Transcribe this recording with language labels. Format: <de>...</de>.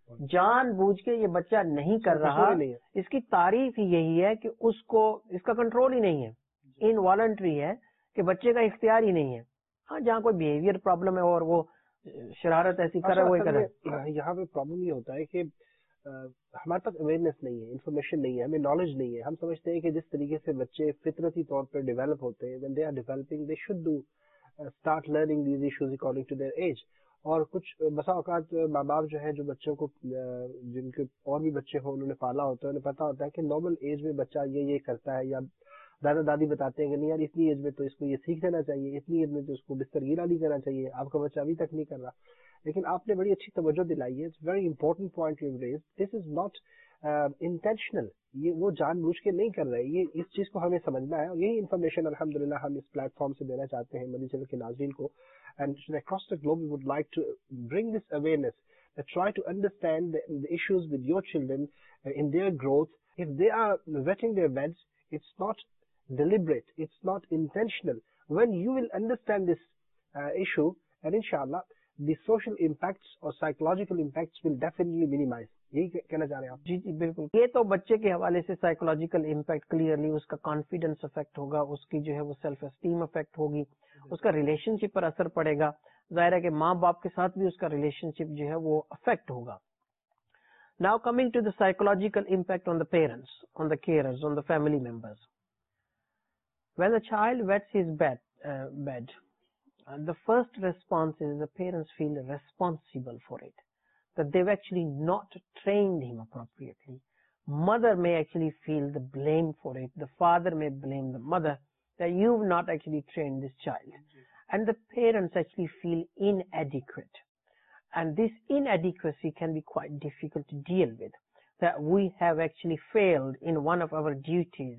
<ur>جان بوجھ کے یہ بچہ نہیں کر رہا, اس کی تعریف یہی ہے کہ اس کو اس کا کنٹرول ہی نہیں ہے, انوالنٹری ہے کہ بچے کا اختیار ہی نہیں ہے. ہاں جہاں کوئی بیہیویئر پرابلم ہے اور وہ شرارت ایسی کر رہا ہے, یہاں پہ پرابلم یہ ہوتا ہے کہ ہمارے پاس اویئرنیس نہیں ہے, انفارمیشن نہیں ہے, ہمیں نالج نہیں ہے. ہم سمجھتے ہیں کہ جس طریقے سے بچے فطرتی طور پر ڈیولپ ہوتے ہیں,</ur> <en>when they are developing they should do start learning these issues according to their age.</en> <ur>اور کچھ بسا اوقات ماں باپ جو ہے جو بچوں کو جن کے اور بھی بچے ہوں انہوں نے پالا ہوتا ہے, انہیں پتا ہوتا ہے کہ نارمل ایج میں بچہ یہ کرتا ہے, یا دادا دادی بتاتے ہیں کہ نہیں یار اتنی ایج میں تو اس کو یہ سیکھ لینا چاہیے, اتنی ایج میں تو اس کو بستر گیلا نہیں کرنا چاہیے, آپ کا بچہ ابھی تک نہیں کر رہا. لیکن آپ نے بڑی اچھی توجہ دلائی ہے,</ur> <en>it's very important point you raise, this is not intentional,</en> <ur>یہ وہ جان بوجھ کے نہیں کر رہے. یہ اس چیز کو ہمیں سمجھنا ہے, اور یہی انفارمیشن الحمد للہ ہم اس پلیٹ فارم سے دینا چاہتے ہیں مدنی چینل کے ناظرین کو.</ur> <en>And across the globe, we would like to bring this awareness, try to understand the issues with your children in their growth. If they are wetting their beds, it's not deliberate, it's not intentional. When you will understand this issue, and inshallah, the social impacts or psychological impacts will definitely minimize.</en> <ur>یہی کہنا چاہ رہے ہیں آپ؟ جی جی بالکل. یہ تو بچے کے حوالے سے سائیکولوجیکل امپیکٹ کلیئرلی, اس کا کانفیڈنس افیکٹ ہوگا, اس کی جو ہے وہ سیلف اسٹیم افیکٹ ہوگی, اس کا ریلیشن شپ پر اثر پڑے گا, ظاہر ہے کہ ماں باپ کے ساتھ بھی اس کا ریلیشن شپ جو ہے وہ افیکٹ ہوگا.</ur> <en>Now coming to the psychological impact on the parents, on the carers, on the family members. When the child wets his bed, the first response is the parents feel responsible for it, that they've actually not trained him appropriately. Mother may actually feel the blame for it. The father may blame the mother that you've not actually trained this child. Mm-hmm. And the parents actually feel inadequate. And this inadequacy can be quite difficult to deal with, that we have actually failed in one of our duties.</en>